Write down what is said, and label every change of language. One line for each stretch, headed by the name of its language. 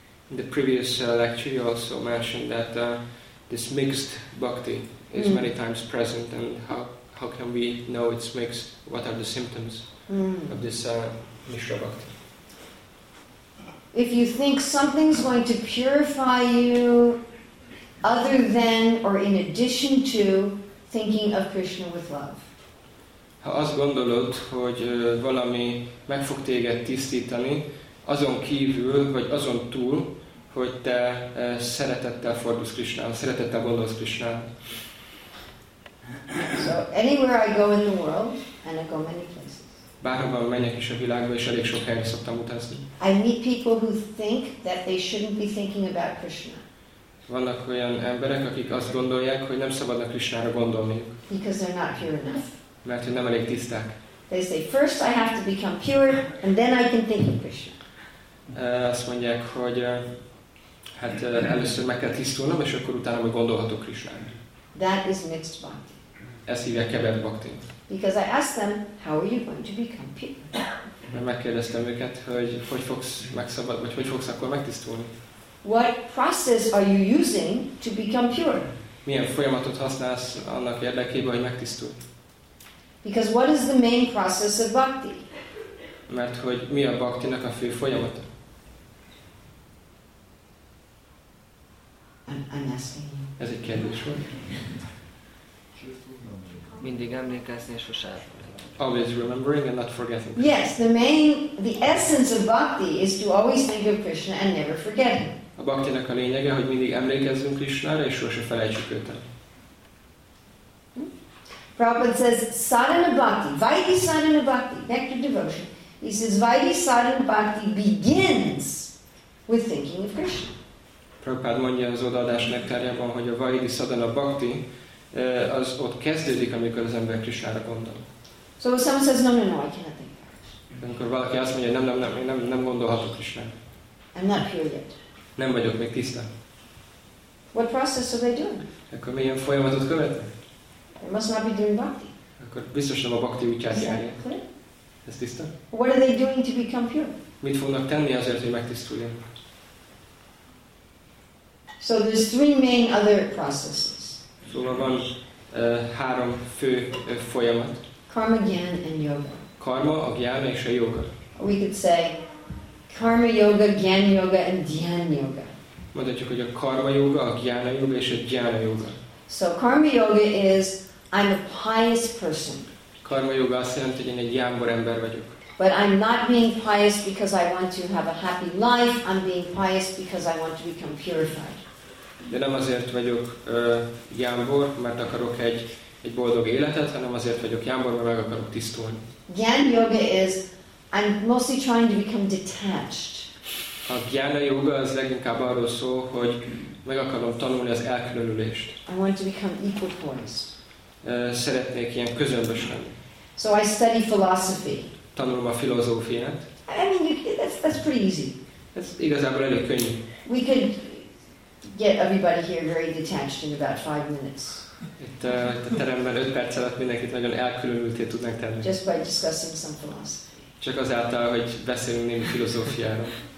English: In the previous lecture you also mentioned that this mixed bhakti is many times present, and how can we know it's mixed? What are the symptoms of this mishra bhakti? If you think something's going to purify you other than or in addition to thinking of Krishna with love.
Hungarian: Ha azt gondolod, hogy valami meg fog téged tisztítani, azon kívül, vagy azon túl, hogy te szeretettel fordulsz Krisnához, szeretettel gondolsz Krisnához.
English: So anywhere I go in the world, and I go many places.
Hungarian: Bárhova menjek is a világba, és elég sok helyre szoktam utazni.
English: I meet people who think that they shouldn't be thinking about Krishna.
Hungarian: Vannak olyan emberek, akik azt gondolják, hogy nem szabadna Krisnára gondolniuk.
English: Because they're not pure enough.
Hungarian: Mert hogy nem elég tiszták.
English: They say first I have to become pure, and then I can think of Krishna.
Hungarian: Azt mondják, hogy hát először meg kell tisztulnom, és akkor utána meg gondolhatok Krisnára.
English: That is mixed bhakti.
Hungarian: Ezt hívják kevert bhakti.
English: Because I ask them, how are you going to become pure?
Hungarian: Mert megkérdeztem őket, hogy hogy fogsz megszabad, vagy hogy fogsz akkor megtisztulni.
English: What process are you using to become pure?
Hungarian: Milyen folyamatot használsz annak érdekében, hogy megtisztulj?
English: Because what is the main process of bhakti?
Hungarian: Mert hogy mi a bhaktinak a fő folyamata?
English: I'm asking you.
Hungarian: Ez egy kérdés volt. Mindig emlékezni és sosem.
English: Always remembering and not forgetting. Yes, the essence of bhakti is to always think of Krishna and never forget him.
Hungarian: A bhaktinak a lényege, hogy mindig emlékezzünk Krishnára és sosem felejtsük őt el.
English: Prabhupada says, sadhana bhakti, vaidhi sadhana bhakti, nectar devotion. He says, vaidhi sadhana bhakti begins with thinking of Krishna.
Hungarian: Prabhupada mondja az odaadás nektárjában, hogy a vaidhi sadhana bhakti, az ott kezdődik, amikor az ember Krishnára gondol.
English: So someone says, no, I cannot think of Krishna.
Hungarian: Amikor valaki azt mondja, nem gondolhatok Krishnára.
English: I'm not pure yet.
Hungarian: Nem vagyok még tiszta.
English: What process are they doing?
Hungarian: Akkor milyen folyamatot követnek?
English: They must not be doing bhakti.
Hungarian: Akkor biztos nem a bhakti útját járják. Ez tiszta?
English: What are they doing to become pure?
Hungarian: Mit fognak tenni azért, hogy megtisztuljon?
English: So there's three main other processes.
Hungarian: Szóval van három fő folyamat.
English: Karma, gyan and yoga.
Hungarian: Karma, a gyan és a yoga.
English: We could say karma yoga, gyan yoga and dhyan yoga.
Hungarian: Mondhatjuk, hogy a karma yoga, a gyan yoga és a dhyan yoga.
English: So karma yoga is I'm a pious person.
Hungarian: Karma yoga azt jelenti, hogy én egy jámbor ember vagyok.
English: But I'm not being pious because I want to have a happy life. I'm being pious because I want to become purified.
Hungarian: De nem azért vagyok jámbor, mert akarok egy boldog életet, hanem azért vagyok jámbor, mert meg akarok tisztulni.
English: Gyan yoga is I'm mostly trying to become detached.
Hungarian: A gyana yoga az leginkább arról szól, hogy meg akarom tanulni az elkülönülést.
English: I want to become equal poise.
Hungarian: szeretnék ilyen közömbös lenni.
English: So I study philosophy.
Hungarian: Tanulom a filozófiát.
English: I mean, that's pretty easy.
Hungarian: Ez igazából elég könnyű.
English: We could get everybody here very detached in about 5 minutes.
Hungarian: Itt a teremben 5 perc alatt mindenkit nagyon elkülönülté tudnánk tenni.
English: Just by discussing some philosophy.
Hungarian: Csak azáltal, hogy beszélünk némi filozófiáról.